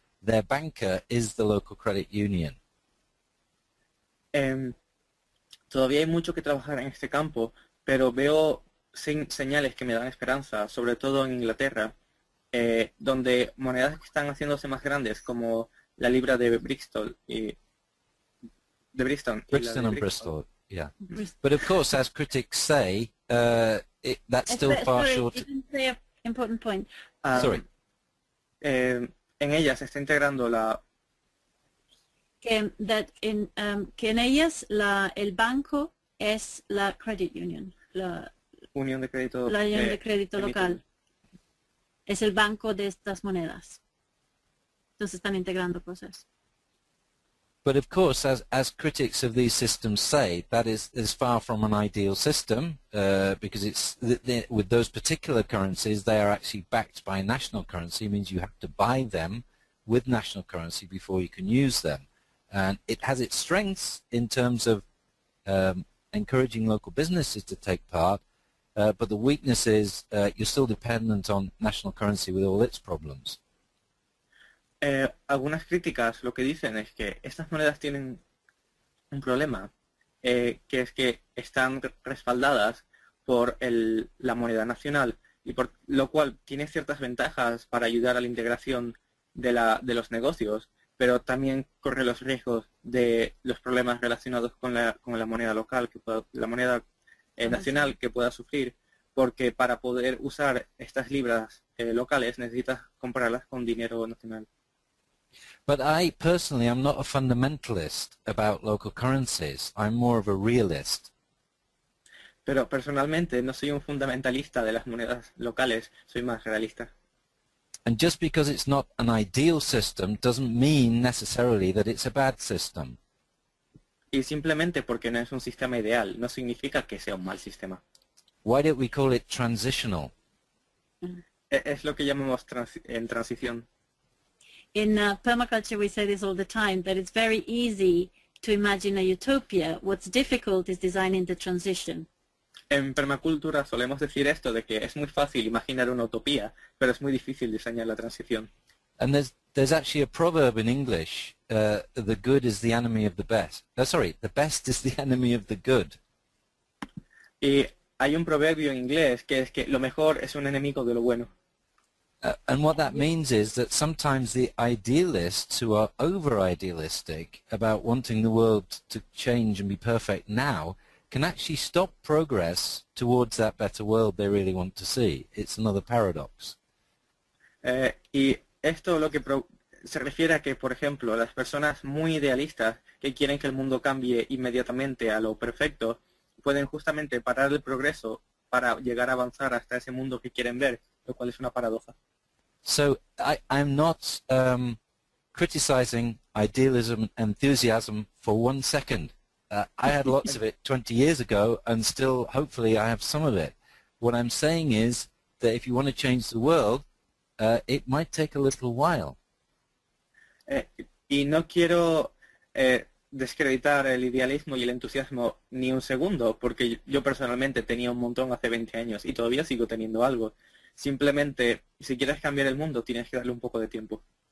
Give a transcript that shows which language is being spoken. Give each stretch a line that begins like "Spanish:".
English: Their banker is the local credit union.
Spanish: Todavía hay mucho que trabajar en este campo, pero veo señales que me dan esperanza, sobre todo en Inglaterra, donde monedas que están haciéndose más grandes, como la libra de Bristol y de Bristol.
English: Brixton and Bristol, yeah. But of course, as critics say, that's still far short. Sorry, you didn't say an important point. Sorry.
Spanish: En ellas se está integrando la que en ellas el banco es la credit union, la unión de crédito local es el banco de estas monedas. Entonces están integrando cosas.
English: But of course, as critics of these systems say, that is far from an ideal system, because it's with those particular currencies, they are actually backed by a national currency. It means you have to buy them with national currency before you can use them. And it has its strengths in terms of encouraging local businesses to take part, but the weakness is you're still dependent on national currency with all its problems.
Spanish: Algunas críticas lo que dicen es que estas monedas tienen un problema, que es que están respaldadas por la moneda nacional, y por lo cual tiene ciertas ventajas para ayudar a la integración de los negocios, pero también corre los riesgos de los problemas relacionados con la moneda local, la moneda nacional que pueda sufrir, porque para poder usar estas libras locales necesitas comprarlas con dinero nacional.
English: But I personally am not a fundamentalist about local currencies. I'm more of a realist.
Spanish: Pero personalmente no soy un fundamentalista de las monedas locales, soy más realista.
English: And just because it's not an ideal system doesn't mean necessarily that it's a bad system.
Spanish: Y simplemente porque no es un sistema ideal no significa que sea un mal sistema.
English: Why don't we call it transitional?
Spanish: Es lo que llamamos en transición.
English: In permaculture, we say this all the time, that it's very easy to imagine a utopia. What's difficult is designing the transition.
Spanish: En permacultura solemos decir esto, de que es muy fácil imaginar una utopía, pero es muy difícil diseñar la transición.
English: And there's actually a proverb in English, the good is the enemy of the best. No, sorry, the best is the enemy of the good.
Spanish: Y hay un proverbio en inglés que es que lo mejor es un enemigo de lo bueno.
English: And what that means is that sometimes the idealists who are over-idealistic about wanting the world to change and be perfect now can actually stop progress towards that better world they really want to see. It's another paradox.
Spanish: Y esto lo que se refiere a que, por ejemplo, las personas muy idealistas que quieren que el mundo cambie inmediatamente a lo perfecto pueden justamente parar el progreso para llegar a avanzar hasta ese mundo que quieren ver, lo cual es una paradoja.
English: So I'm not criticizing idealism and enthusiasm for one second. I had lots of it 20 years ago, and still, hopefully, I have some of it. What I'm saying is that if you want to change the world, it might take a little while.
Spanish: Y no quiero descreditar el idealismo y el entusiasmo ni un segundo, porque yo personalmente tenía un montón hace 20 años y todavía sigo teniendo algo. Simplemente, si quieres cambiar el mundo, tienes que darle un poco de tiempo.